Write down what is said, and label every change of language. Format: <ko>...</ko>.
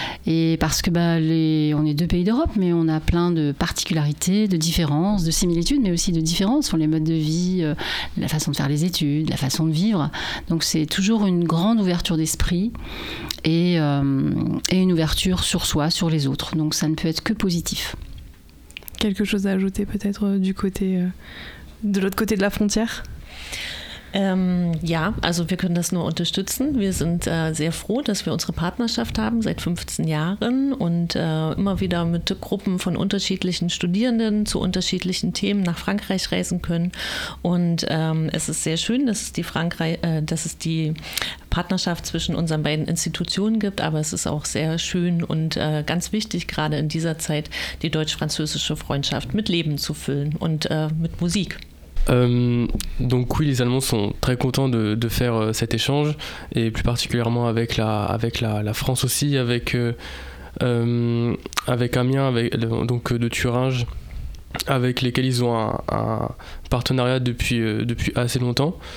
<fr>Et parce que on est deux pays d'Europe, mais on a plein de particularités, de différences, de similitudes, mais aussi de différences sur les modes de vie, la façon de faire les études, la façon de vivre. Donc c'est toujours une grande ouverture d'esprit et une ouverture sur soi, sur les autres. Donc ça ne peut être que positif. Quelque chose à ajouter peut-être du côté de l'autre côté de la frontière?</fr> <de>Ja, also wir können das nur unterstützen. Wir sind sehr froh, dass wir unsere Partnerschaft haben seit 15 Jahren und immer wieder mit Gruppen von unterschiedlichen Studierenden zu unterschiedlichen Themen nach Frankreich reisen können. Und es ist sehr schön, dass es die Partnerschaft zwischen unseren beiden Institutionen gibt, aber es ist auch sehr schön und ganz wichtig, gerade in dieser Zeit die deutsch-französische Freundschaft mit Leben zu füllen und mit Musik.</de> <fr>Donc oui, les Allemands sont très contents de faire cet échange, et plus particulièrement avec la France aussi, avec Amiens, de Thuringe, avec lesquels ils ont un partenariat depuis assez longtemps.</fr>